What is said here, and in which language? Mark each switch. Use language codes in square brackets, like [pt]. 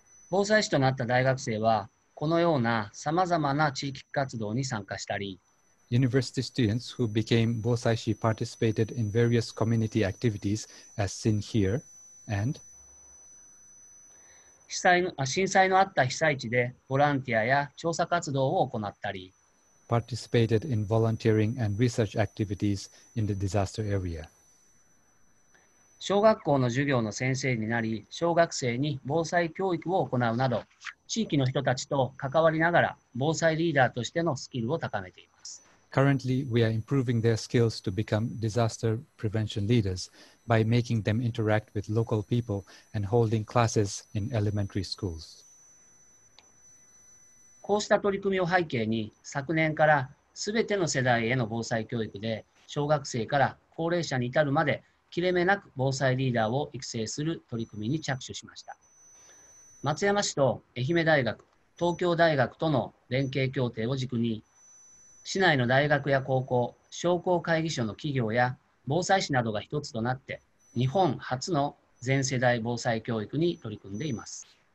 [ja] Bosaishi となった大学生は、このようなさまざまな地域活動に参加したり、 [en] University students who became Bosaishi participated in various community activities as seen here, and [ja] 震災のあった被災地でボランティアや調査活動を行ったり、 [en] participated in volunteering and research activities in the disaster area. [ja] 小学校の授業の先生になり、小学生に防災教育を行うなど、地域の人たちと関わりながら防災リーダーとしてのスキルを高めています。 [en] Currently, we are improving their skills to become disaster prevention leaders by making them interact with local people and holding classes in elementary schools. [ja] こうした取り組みを背景に、昨年からすべての世代への防災教育で、小学生から高齢者に至るまで、切れ目なく防災リーダーを育成する取り組みに着手しました。松山市と愛媛大学、東京大学との連携協定を軸に、市内の大学や高校、商工会議所の企業や防災士などが一つとなって、日本初の全世代防災教育に取り組んでいます。